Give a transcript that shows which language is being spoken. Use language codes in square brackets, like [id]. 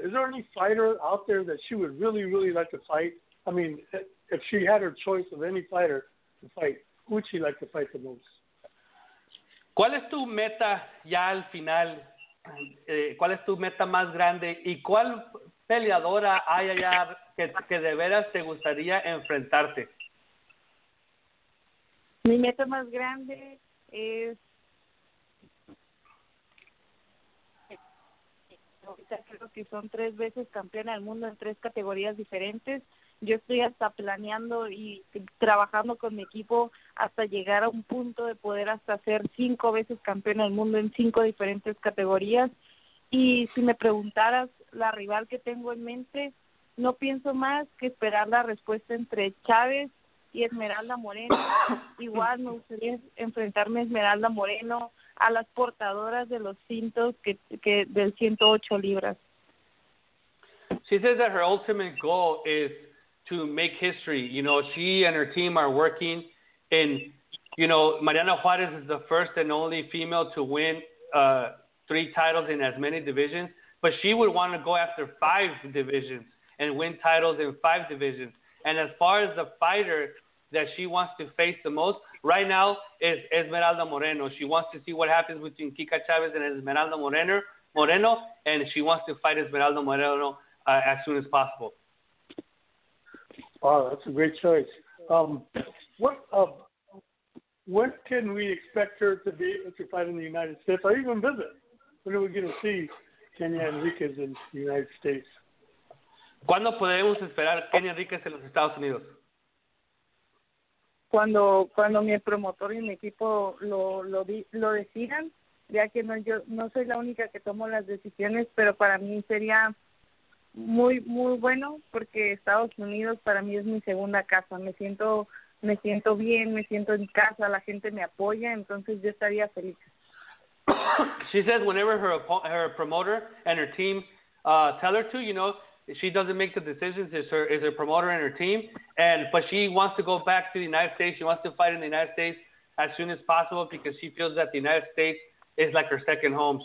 [en] Is there any fighter out there that she would really, really like to fight? I mean, if she had her choice of any fighter to fight, who would she like to fight the most? [es] ¿Cuál es tu meta ya al final? ¿Cuál es tu meta más grande? ¿Y cuál peleadora hay allá que de veras te gustaría enfrentarte? Mi meta más grande es creo que son 3 veces campeona del mundo en 3 categorías diferentes. Yo estoy hasta planeando y trabajando con mi equipo hasta llegar a un punto de poder hasta ser 5 veces campeona del mundo en 5 diferentes categorías. Y si me preguntaras la rival que tengo en mente, no pienso más que esperar la respuesta entre Chávez y Esmeralda Moreno. Igual me gustaría enfrentarme a Esmeralda Moreno, a las portadoras de los cintos que del 108 libras. [en] She says that her ultimate goal is to make history. You know, she and her team are working, and you know, Mariana Juarez is the first and only female to win 3 titles in as many divisions, but she would want to go after 5 divisions and win titles in 5 divisions. And as far as the fighter that she wants to face the most right now is Esmeralda Moreno. She wants to see what happens between Kika Chavez and Esmeralda Moreno, and she wants to fight Esmeralda Moreno as soon as possible. Wow, that's a great choice. When can we expect her to be able to fight in the United States or even visit? When are we going to see Kenya Enriquez in the United States? [es] ¿Cuándo podemos esperar Kenya Enriquez en los Estados Unidos? Cuando mi promotor y mi equipo lo decidan, ya que no soy la única que tomo las decisiones, pero para mí sería muy muy bueno porque Estados Unidos para mí es mi segunda casa. Me siento bien, me siento en casa, la gente me apoya, entonces yo estaría feliz. [en] She says whenever her promoter and her team tell her to, you know, she doesn't make the decisions. It's her promoter and her team. But she wants to go back to the United States. She wants to fight in the United States as soon as possible because she feels that the United States is like her second home.